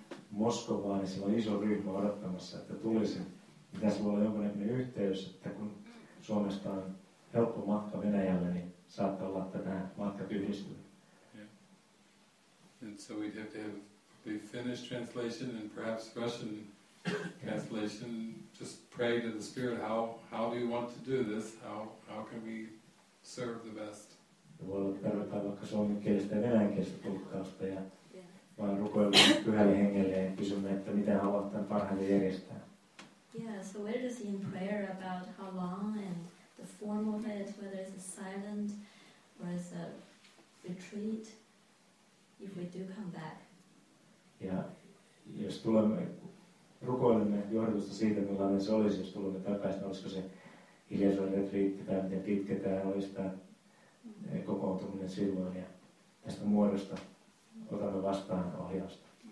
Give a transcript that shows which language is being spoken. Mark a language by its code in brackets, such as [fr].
[fi] Moskovaan, siellä on iso ryhmä odottamassa, että tulisin. Tässä voi olla jonkinlainen yhteys, että kun Suomesta on helppo matka Venäjälle, niin saattaa olla, että nämä matkat yhdistyvät. [en] Yeah. And so we'd have to have the Finnish translation and perhaps Russian translation. Just pray to the Spirit, how do you want to do this? How can we serve the best? [fi] Voi olla, että tarvitaan vaikka suomenkielistä ja venäjänkielistä tulkkausta. Ja vaan rukoillaan pyhälle hengelle ja kysymme, että miten haluat tämän parhaiten järjestää. Yeah, so where does in prayer about how long and the form of it, whether it's a silent or it's a retreat, if we do come back? Yeah, jos tulemme, rukoilemme johdatusta siitä, millainen se olisi, jos tulemme takaisin, olisiko se hiljaisuuden retriitti tai miten pitkä tämä olisi tämä kokoontuminen silloin ja tästä muodosta. Otamme vastaan ohjausta.